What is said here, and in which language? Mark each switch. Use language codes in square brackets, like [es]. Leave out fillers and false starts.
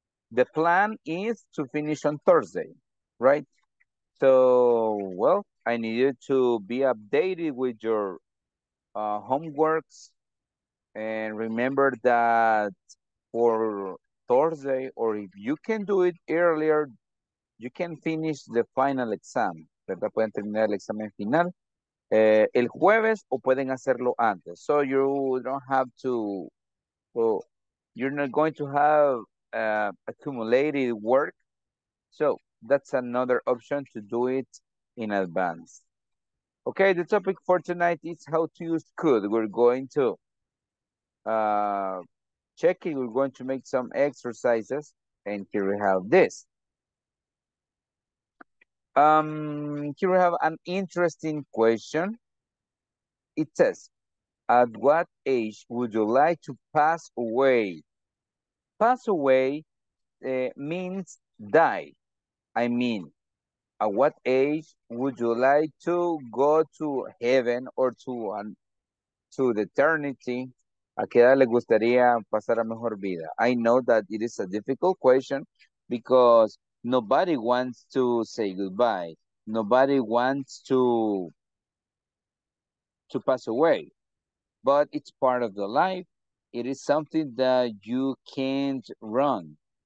[en] The plan is to finish on Thursday, right? So, well, I need you to be updated with your homeworks. And remember that for Thursday, or if you can do it earlier, you can finish the final exam, ¿verdad? [es] Pueden terminar el examen final el jueves o pueden hacerlo antes. [en] So you don't have to, well, you're not going to have accumulated work. So that's another option to do it in advance. Okay, the topic for tonight is how to use could. We're going to check it. We're going to make some exercises. And here we have this. Here we have an interesting question. It says, at what age would you like to pass away? Pass away means die. I mean, at what age would you like to go to heaven or to the eternity? [es] ¿A qué edad le gustaría pasar a mejor vida? [en] I know that it is a difficult question because nobody wants to say goodbye. Nobody wants to pass away. But it's part of the life. It is something that you can't run.